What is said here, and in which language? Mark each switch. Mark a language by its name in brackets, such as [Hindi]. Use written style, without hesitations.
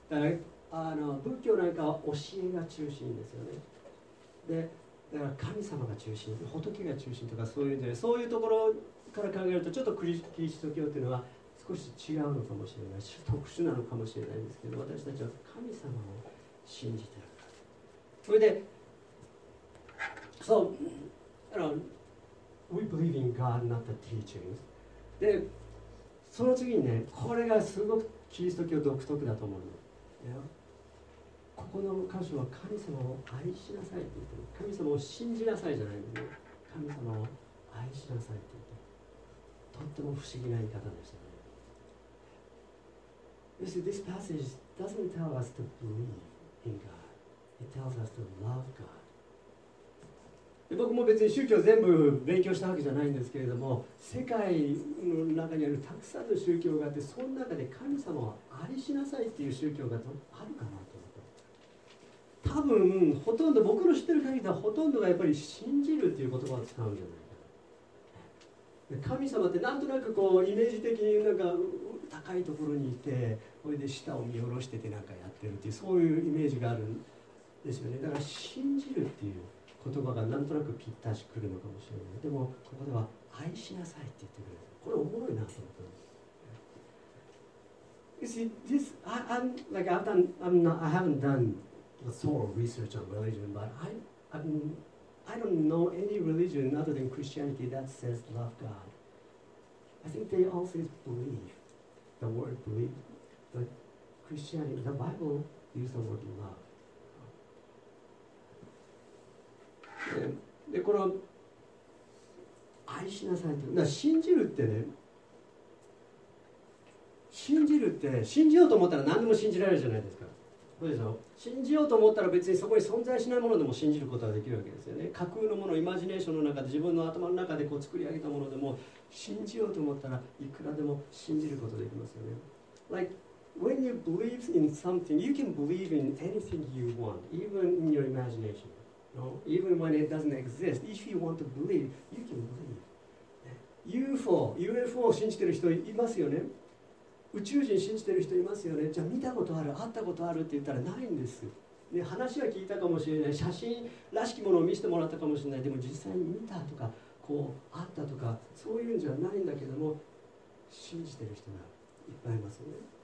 [Japanese] 仏教なんかは教えが中心ですよね。で、だから神様が中心、仏が中心とかそういうんじゃない、そういうところから考えるとちょっとキリスト教というのは少し違うのかもしれないし、特殊なのかもしれないんですけど、私たちは神様を信じてるから。それで、 [English] we believe in God, not the teachings. [Japanese] で、その次にね、これがすごくキリスト教独特だと思うの。ここの箇所は神様を愛しなさいって言ってる。神様を信じなさいじゃないんですね。神様を愛しなさいって言ってる。とっても不思議な言い方でしたね。 [English] You see, this passage doesn't tell us to believe in God. It tells us to love God. [Japanese] 僕も別に宗教全部勉強したわけじゃないんですけれども、世界の中にあるたくさんの宗教があって、その中で神様を愛しなさいっていう宗教があるかなと。多分ほとんど僕の知ってる限りではほとんどがやっぱり信じるっていう言葉を使うんじゃないかな。神様ってなんとなくこうイメージ的になんか高いところにいて、それで下を見下ろしててなんかやってるっていう、そういうイメージがあるんですよね。だから信じるっていう言葉がなんとなくぴったし来るのかもしれない。でもここでは愛しなさいって言ってくれる。これおもろいなと思って。 [English] You see, this, I haven't done a thorough research on religion, but I don't know any religion other than Christianity that says love God. I think they all say believe, the word believe, but Christianity, the Bible used the word love. [Japanese] で、この愛しなさいって、信じるってね、信じるって、信じようと思ったら何でも信じられるじゃないですか。そうでしょ。信じようと思ったら別にそこに存在しないものでも信じることができるわけですよね。架空のもの、イマジネーションの中で自分の頭の中でこう作り上げたものでも信じようと思ったらいくらでも信じることができますよね。 [English] Like, when you believe in something, you can believe in anything you want, even in your imagination. No? Even when it doesn't exist, if you want to believe, you can believe. [Japanese] UFO を信じてる人いますよね。宇宙人信じてる人いますよね。じゃあ見たことある、会ったことあるって言ったらないんです、ね、話は聞いたかもしれない、写真らしきものを見せてもらったかもしれない、でも実際に見たとかこう会ったとかそういうんじゃないんだけども、信じてる人がいっぱいいますよね。